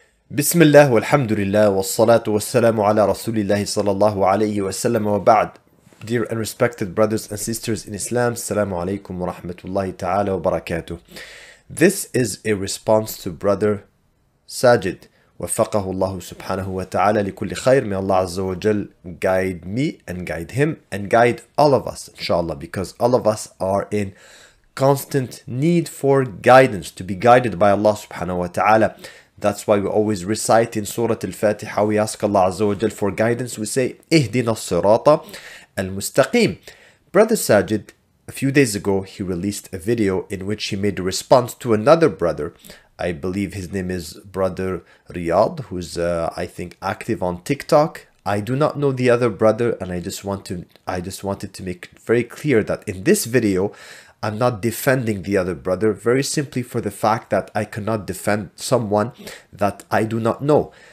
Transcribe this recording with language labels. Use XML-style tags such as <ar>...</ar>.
<ar>بسم الله والحمد لله والصلاة والسلام على رسول الله صلى الله عليه وسلم وبعد.</ar> <en>Dear and respected brothers and sisters in Islam,</en> <ar>السلام عليكم ورحمة الله تعالى وبركاته.</ar> <en>This is a response to brother Saajid.</en> <ar>وفقه الله سبحانه وتعالى لكل خير.</ar> <en>May Allah عز وجل guide me and guide him and guide all of us, inshallah, because all of us are in constant need for guidance, to be guided by Allah subhanahu wa ta'ala. That's why we always recite in Surah Al-Fatiha, we ask Allah Azza wa Jal for guidance. We say,</en> <ar>اهدنا الصراط المستقيم.</ar> <en>Brother Saajid, a few days ago, he released a video in which he made a response to another brother. I believe his name is Brother Riyad, who's, I think, active on TikTok. I do not know the other brother, and I just wanted to make very clear that in this video, I'm not defending the other brother, very simply for the fact that I cannot defend someone that I do not know.</en>